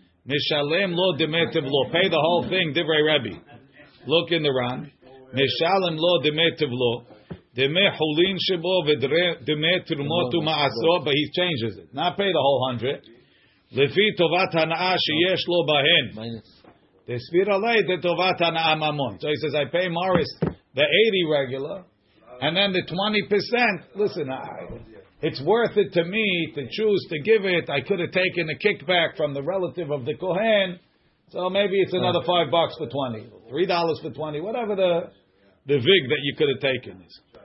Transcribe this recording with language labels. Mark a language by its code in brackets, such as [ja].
[he] Mishalem Lo Demet Tevlo. [en] Pay the whole thing, Divrei Rebbe. Look in the Ran. [he] Mishalem Lo Demet Tevlo. [en] But he changes it. Not pay the whole 100. [he] לפי טובת הנאה שיש לו בהן. תסביר עליי את טובת הנאה ממון. [en] So he says, I pay Morris the 80 regular, and then the 20%, listen, it's worth it to me to choose to give it. I could have taken a kickback from the relative of the Kohen, so maybe it's another $5 for 20, $3 for 20, whatever the vig that you could have taken is.